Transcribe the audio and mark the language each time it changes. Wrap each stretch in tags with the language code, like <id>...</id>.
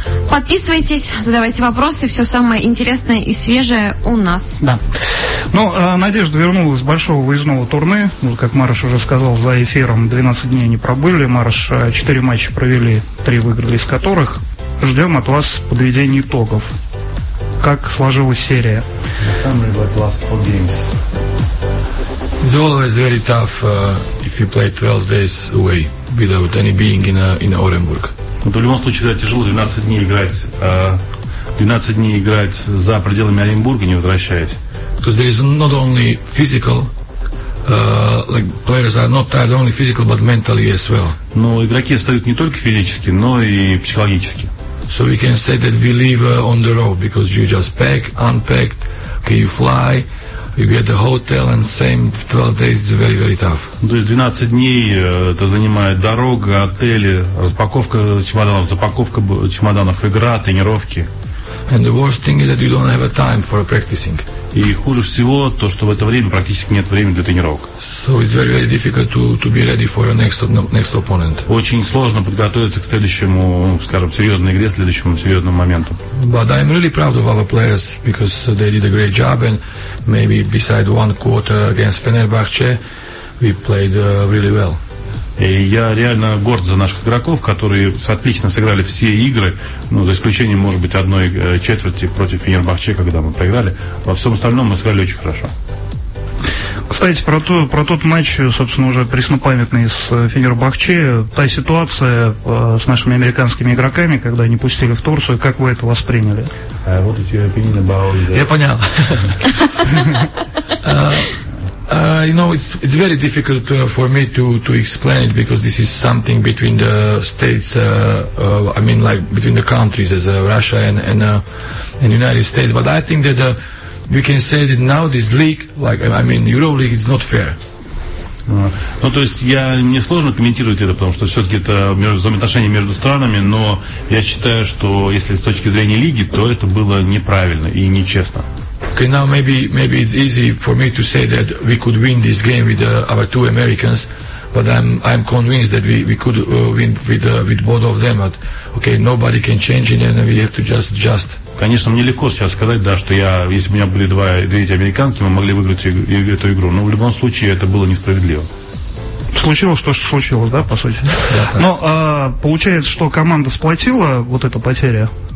<ru>Подписывайтесь, задавайте вопросы. Все самое интересное и свежее у нас. Да. Ну, Надежда вернулась с большого выездного турне. Как Марыш уже сказал, за эфиром 12 дней не пробыли. Марыш 4 матча провели, 3 выиграли из которых. Ждем от вас подведения итогов. Как сложилась серия? Самый</ru> <en>last four games. It's always very tough if you play 12 days away without any being in Orenburg.</en> <ru>В любом случае, это тяжело 12 дней играть. 12 дней играть за пределами Оренбурга, не возвращаясь.</ru> <en>Because there is not only physical, like players are not tired only physically, but mentally as well.</en> <ru>Но игроки остают не только физически, но и психологически.</ru> <en>So we can say that we live on the road, because you just pack, unpack, can you fly? We get the hotel and same 12 days is very, very tough.</en> <ru>То есть 12 дней это занимает дорога, отели, распаковка чемоданов, запаковка чемоданов, игра, тренировки.</ru> <en>And the worst thing is that you don't have a time for practicing.</en> <ru>И хуже всего то, что в это время практически нет времени для тренировок.</ru> <en>So it's very, very difficult to be ready for your next opponent.</en> <ru>Очень сложно подготовиться к следующему, скажем, серьезной игре, следующему серьезному моменту.</ru> <en>But I'm really proud of our players because they did a great job and maybe beside one quarter against Fenerbahce, we played really well.</en> <ru>И я реально горд за наших игроков, которые отлично сыграли все игры, ну, за исключением, может быть, одной четверти против Фенербахче, когда мы проиграли. Во всем остальном мы сыграли очень хорошо. Кстати, про тот матч, собственно, уже преснопамятный с Фенербахче, та ситуация с нашими американскими игроками, когда они пустили в Турцию, как вы это восприняли? Вот эти</ru> <en>opinion about it.</en> <ru>Я понял.</ru> <en>You know, it's very difficult for me to explain it because this is something between the states. I mean, like between the countries, as Russia and United States. But I think that we can say that now this league, like I mean Euroleague, is not fair.</en> <ru>Ну, то есть я не сложно комментировать это, потому что все-таки это взаимоотношения между странами, но я считаю, что если с точки зрения лиги, то это было неправильно и нечестно.</ru> <en>Okay, now maybe it's easy for me to say that we could win this game with our two Americans, but I'm convinced that we could win with both of them. But okay, nobody can change it, and we have to just.</en> <ru>Конечно, мне легко сейчас сказать, да, что я, если бы у меня были две эти американки, мы могли выиграть эту игру. Но в любом случае это было несправедливо. Случилось то, что случилось, да, по сути. Но получается, что команда сплотила вот эта потеря.</ru>